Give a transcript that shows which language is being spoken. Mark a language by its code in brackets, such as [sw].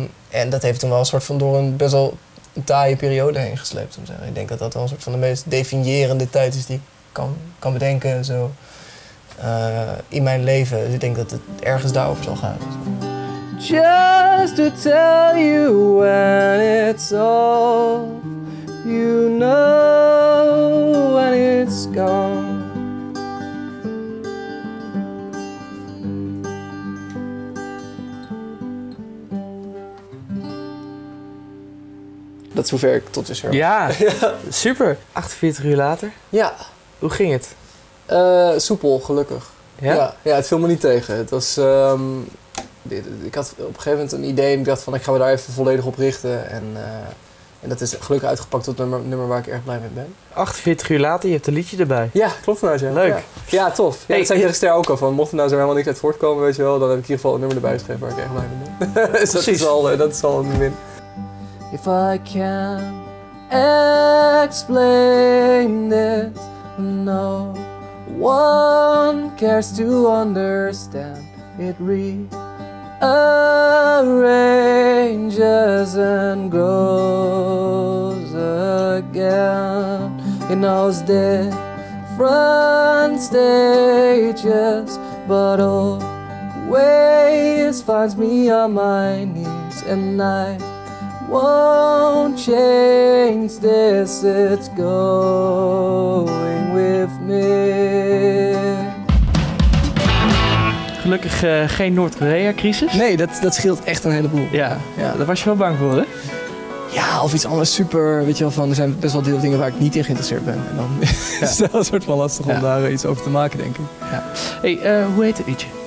[nl] En dat heeft toen wel een soort van door een best wel... een taaie periode heen gesleept. Ik denk dat dat wel een soort van de meest definiërende tijd is die ik kan bedenken zo. In mijn leven. Dus ik denk dat het ergens daarover zal gaan. [en] Just to tell you when it's all you know when it's gone. [nl] Dat zover ik tot dusver. Ja, super. 48 uur later. Ja. Hoe ging het? Soepel, gelukkig. Ja? Ja, het viel me niet tegen. Het was, ik had op een gegeven moment een idee en ik dacht van ik ga me daar even volledig op richten. En En dat is gelukkig uitgepakt tot nummer waar ik erg blij mee ben. 48 uur later, je hebt een liedje erbij. Ja, klopt nou zeg. Leuk. Ja, ja tof. Ja, hey, dat zei ik gisteren ook al van, mocht er nou zo helemaal niks uit voortkomen, weet je wel, dan heb ik in ieder geval een nummer erbij geschreven waar ik erg blij mee ben. Dus precies. Dat is al een win. [en] If I can explain this, no one cares to understand it arranges and grows again. It knows different stages, but always finds me on my knees. And I won't change this, it's going with me. [nl] Gelukkig geen Noord-Korea-crisis. Nee, dat scheelt echt een heleboel. Ja, ja, daar was je wel bang voor, hè? Ja, of iets anders super, weet je wel, van er zijn best wel veel dingen waar ik niet in geïnteresseerd ben. En dan is dat een soort van lastig om daar iets over te maken, denk ik. Ja. Hey, hoe heet het liedje?